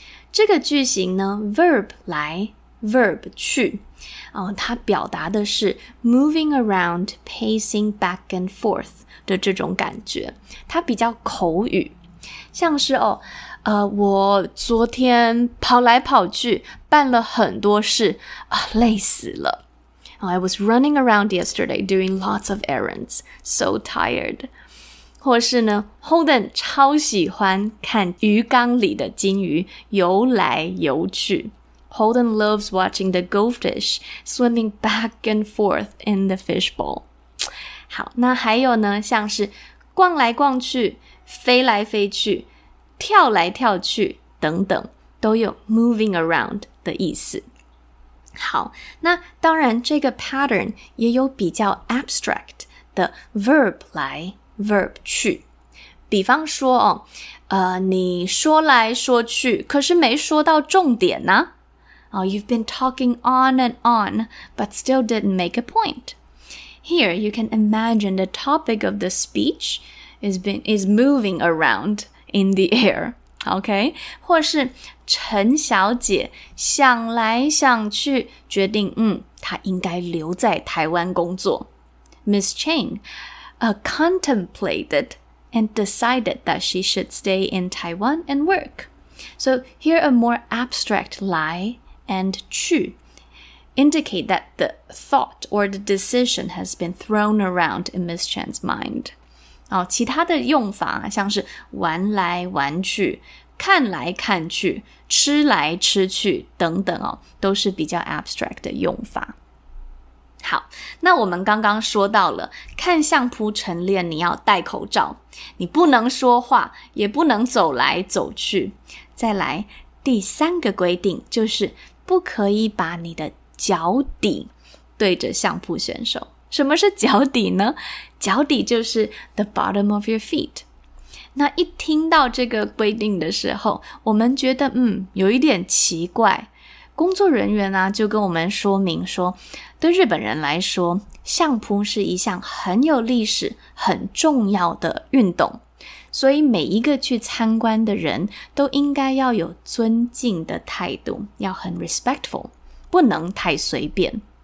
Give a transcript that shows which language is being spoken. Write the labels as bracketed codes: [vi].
[zh] 这个句型呢 verb 来 verb 去它表达的是 [en] moving around, pacing back and forth [zh] 的这种感觉，它比较口语，像是我昨天跑来跑去办了很多事累死了。 [en] I was running around yesterday doing lots of errands, so tired。 [zh] 或是呢 Holden 超喜欢看鱼缸里的金鱼游来游去。 [en] Holden loves watching the goldfish swimming back and forth in the fishbowl. [zh] 好，那还有呢，像是逛来逛去，飞来飞去，跳来跳去等等，都有 [en] moving around [zh] 的意思。好，那当然这个 pattern 也有比较 abstract 的 verb 来 verb 去。比方说你说来说去，可是没说到重点呢。 [en] You've been talking on and on, but still didn't make a point. Here, you can imagine the topic of the speech is moving around in the air, okay? [zh] 或是陈小姐想来想去决定她应该留在台湾工作。 [en] Miss Chang contemplated and decided that she should stay in Taiwan and work. So here a more abstract lie,and 去 indicate that the thought or the decision has been thrown around in Miss Chan's mind. [zh] 其他的用法像是玩来玩去，看来看去，吃来吃去等等都是比较 abstract 的用法。好，那我们刚刚说到了看相扑晨练你要戴口罩，你不能说话，也不能走来走去。再来第三个规定，就是不可以把你的脚底对着相扑选手。什么是脚底呢？脚底就是 [en] the bottom of your feet。 [zh] 那一听到这个规定的时候，我们觉得有一点奇怪。工作人员就跟我们说明说，对日本人来说，相扑是一项很有历史很重要的运动，所以每一个去参观的人都应该要有尊敬的态度，要很 respectful, 不能太随便。